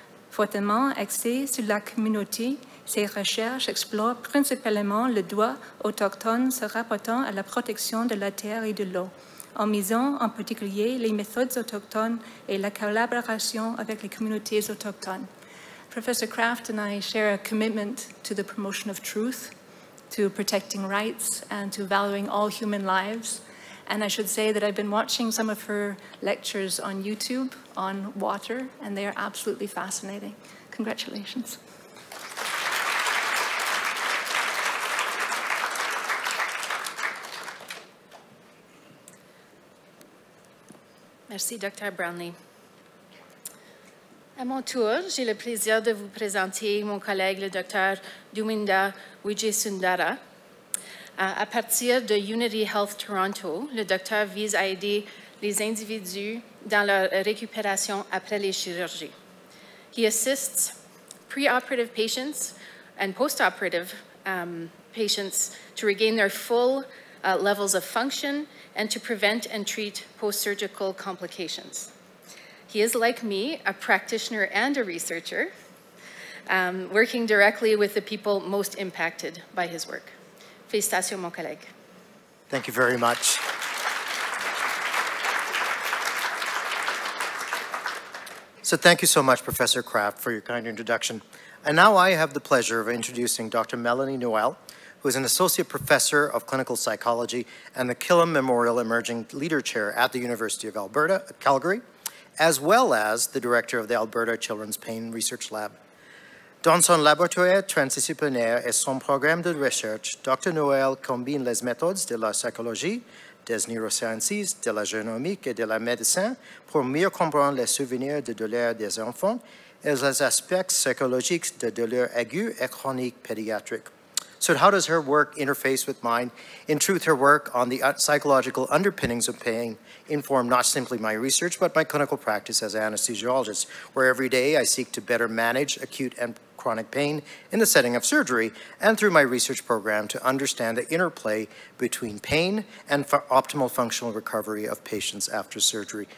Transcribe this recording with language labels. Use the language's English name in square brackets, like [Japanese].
[French] Fortement axée sur la communauté, ses recherches explorent principalement le droit autochtone se rapportant à la protection de la terre et de l'eau, en misant en particulier les méthodes autochtones et la collaboration avec les communautés autochtones. [English] Professor Kraft and I share a commitment to the promotion of truth, to protecting rights, and to valuing all human lives. And I should say that I've been watching some of her lectures on YouTube on water, and they are absolutely fascinating. Congratulations. [French] Merci, Dr. Brown-Lee. À mon tour, j'ai le plaisir de vous présenter mon collègue, le Dr. Duminda Wijesundara. À partir de Unity Health Toronto, le docteur vise à aider les individus dans leur récupération après les chirurgies. [English] He assists pre-operative patients and post-operative patients to regain their full levels of function and to prevent and treat post-surgical complications. He is, like me, a practitioner and a researcher, working directly with the people most impacted by his work. [French] Félicitations, mon collègue. [English] Thank you very much. So thank you so much, Professor Kraft, for your kind introduction. And now I have the pleasure of introducing Dr. Melanie Noel, who is an Associate Professor of Clinical Psychology and the Killam Memorial Emerging Leader Chair at the University of Alberta, Calgary, as well as the director of the Alberta Children's Pain Research Lab. [French] Dans son laboratoire transdisciplinaire et son programme de recherche, Dr. Noel combine les méthodes de la psychologie, des neurosciences, de la génomique et de la médecine pour mieux comprendre les souvenirs de douleur des enfants et les aspects psychologiques de douleur aiguë et chronique pédiatrique. [English] So how does her work interface with mine? In truth, her work on the psychological underpinnings of pain informed not simply my research, but my clinical practice as an anesthesiologist, where every day I seek to better manage acute and chronic pain in the setting of surgery, and through my research program to understand the interplay between pain and optimal functional recovery of patients after surgery.